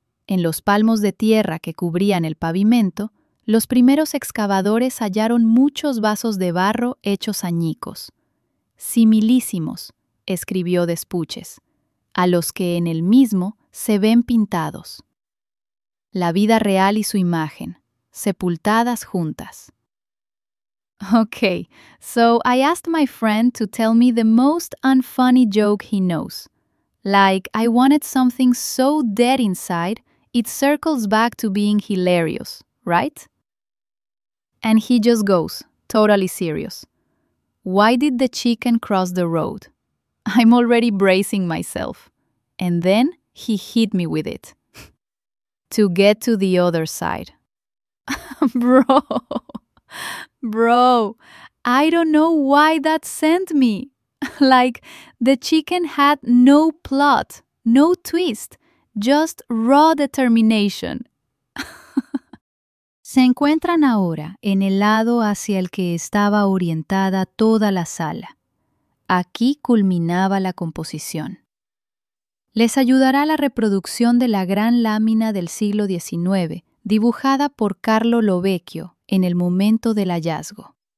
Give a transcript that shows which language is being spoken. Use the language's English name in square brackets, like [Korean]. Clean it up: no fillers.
[Spanish] En los palmos de tierra que cubrían el pavimento, los primeros excavadores hallaron muchos vasos de barro hechos añicos. «Similísimos», escribió Despuches, «a los que en el mismo se ven pintados. La vida real y su imagen, sepultadas juntas». [English] Okay, so I asked my friend to tell me the most unfunny joke he knows. Like, I wanted something so dead inside, it circles back to being hilarious, right? And he just goes, totally serious. Why did the chicken cross the road? I'm already bracing myself. And then he hit me with it. To get to the other side. Bro! Bro, I don't know why that sent me. Like, the chicken had no plot, no twist, just raw determination. [Spanish] Se encuentran ahora en el lado hacia el que estaba orientada toda la sala. Aquí culminaba la composición. Les ayudará la reproducción de la gran lámina del siglo XIX, dibujada por Carlo Lovecchio en el momento del hallazgo.